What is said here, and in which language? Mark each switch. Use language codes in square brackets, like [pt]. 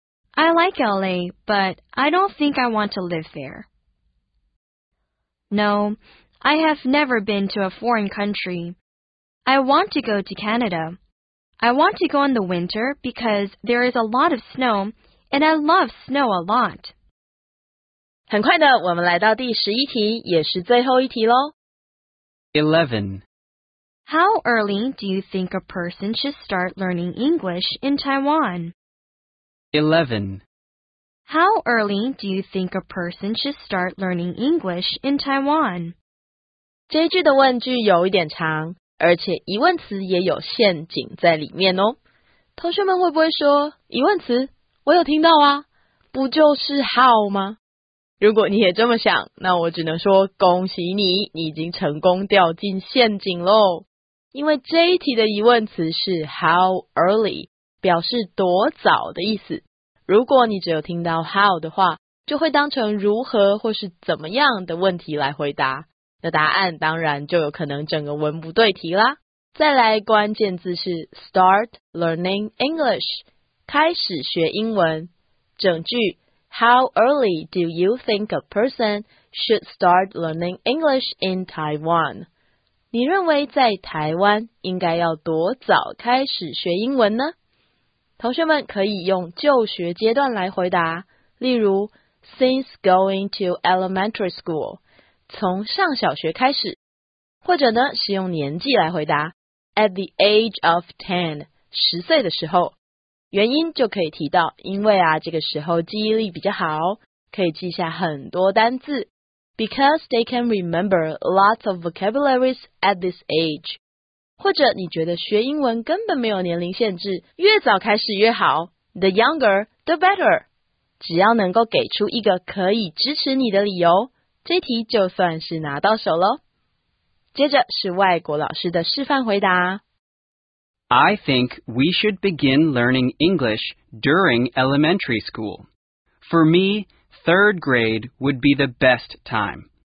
[en] I like LA, but I don't think I want to live there. No, I have never been to a foreign country. I want to go to Canada. I want to go in the winter because there is a lot of snow, and I love snow a lot. [zh] 很快的，我们来到第十一题，也是最后一题咯。 [en] 11. How early do you think a person should start learning English in Taiwan? 11. How early do you think a person should start learning English in Taiwan? [zh] 这句的问句有一点长，而且疑问词也有陷阱在里面哦。同学们会不会说，疑问词，我有听到啊，不就是 how 吗？如果你也这么想，那我只能说恭喜你，你已经成功掉进陷阱咯。因为这一题的疑问词是 how early， 表示多早的意思。如果你只有听到 how 的话，就会当成如何或是怎么样的问题来回答，那答案当然就有可能整个文不对题啦。再来，关键字是 [en] start learning English， [zh] 开始学英文。整句 [en] How early do you think a person should start learning English in Taiwan? [zh] 你认为在台湾应该要多早开始学英文呢？同学们可以用就学阶段来回答，例如 [en] since going to elementary school， [zh] 从上小学开始，或者呢是用年纪来回答 [en] at the age of 10， [zh] 十岁的时候。原因就可以提到，因为啊，这个时候记忆力比较好，可以记下很多单字。 [en] Because they can remember lots of vocabularies at this age. [zh] 或者你觉得学英文根本没有年龄限制，越早开始越好。 [en] The younger, the better. [zh] 只要能够给出一个可以支持你的理由，这题就算是拿到手咯。接着是外国老师的示范回答。 [en] I think we should begin learning English during elementary school. For me, third grade would be the best time.